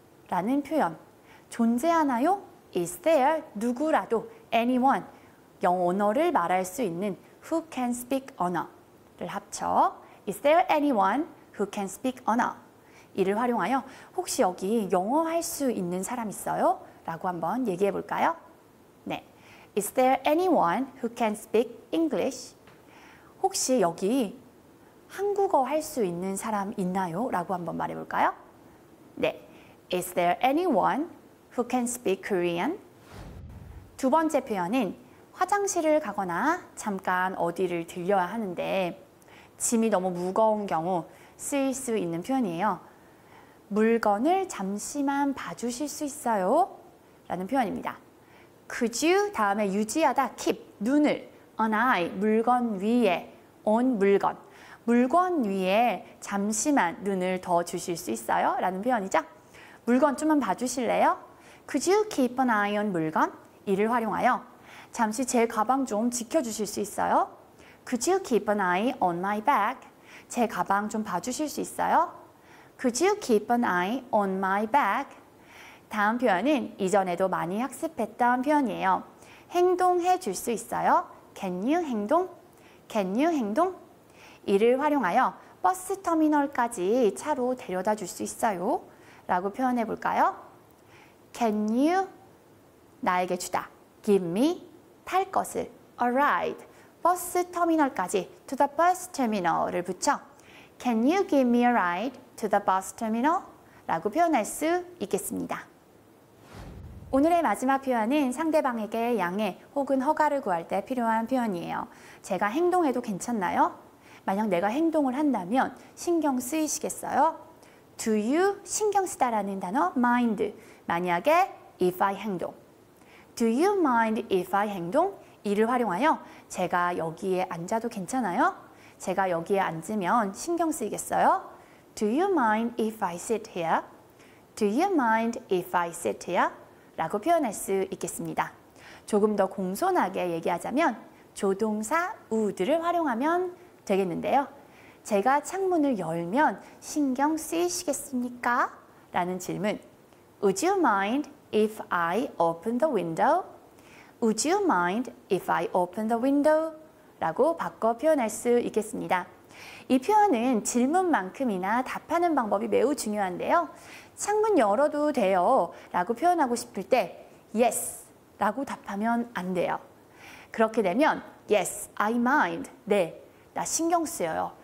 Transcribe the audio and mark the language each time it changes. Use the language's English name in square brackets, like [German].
[Korean] 라는 표현 존재하나요? Is there 누구라도 anyone 영어를 말할 수 있는 who can speak 언어를 합쳐 [English] Is there anyone who can speak [Korean] 언어 이를 활용하여 혹시 여기 영어 할 수 있는 사람 있어요? 라고 한번 얘기해 볼까요? [English] 네, Is there anyone who can speak English? [Korean] 혹시 여기 한국어 할 수 있는 사람 있나요? 라고 한번 말해 볼까요? [English] 네, Is there anyone who can speak Korean? [Korean] 두 번째 표현은 화장실을 가거나 잠깐 어디를 들려야 하는데 짐이 너무 무거운 경우 쓰일 수 있는 표현이에요. 물건을 잠시만 봐주실 수 있어요? 라는 표현입니다. [English] Could you [Korean] 다음에 유지하다 keep 눈을 on eye 물건 위에 on 물건 물건 위에 잠시만 눈을 더 주실 수 있어요? 라는 표현이죠. 물건 좀만 봐주실래요? [English] Could you keep an eye on [Korean] 물건? 이를 활용하여 잠시 제 가방 좀 지켜주실 수 있어요? [English] Could you keep an eye on my bag? [Korean] 제 가방 좀 봐주실 수 있어요? [English] Could you keep an eye on my bag? [Korean] 다음 표현은 이전에도 많이 학습했던 표현이에요. 행동해 줄 수 있어요? [English] Can you [Korean] 행동? Can you 행동? 이를 활용하여 버스 터미널까지 차로 데려다 줄 수 있어요? 라고 표현해 볼까요? [English] Can you [Korean] 나에게 주다. [English] Give me [Korean] 탈 것을. [English] A ride. [Korean] 버스 터미널까지. [English] To the bus terminal을 [Korean] 붙여. [English] Can you give me a ride to the bus terminal? [Korean] 라고 표현할 수 있겠습니다. 오늘의 마지막 표현은 상대방에게 양해 혹은 허가를 구할 때 필요한 표현이에요. 제가 행동해도 괜찮나요? 만약 내가 행동을 한다면 신경 쓰이시겠어요? [English] Do you [Korean] 신경 쓰다라는 단어 mind. 만약에 [English] if I [Korean] 행동. [English] Do you mind if I [Korean] 행동? 이를 활용하여 제가 여기에 앉아도 괜찮아요? 제가 여기에 앉으면 신경 쓰이겠어요? [English] Do you mind if I sit here? Do you mind if I sit here? [Korean] 라고 표현할 수 있겠습니다. 조금 더 공손하게 얘기하자면 조동사 would를 활용하면 되겠는데요. 제가 창문을 열면 신경 쓰이시겠습니까? 라는 질문 [English] Would you mind If I open the window, would you mind if I open the window? [Korean] 라고 바꿔 표현할 수 있겠습니다. 이 표현은 질문만큼이나 답하는 방법이 매우 중요한데요. 창문 열어도 돼요 라고 표현하고 싶을 때 yes 라고 답하면 안 돼요. 그렇게 되면 [English] yes, I mind. [Korean] 네, 나 신경 쓰여요.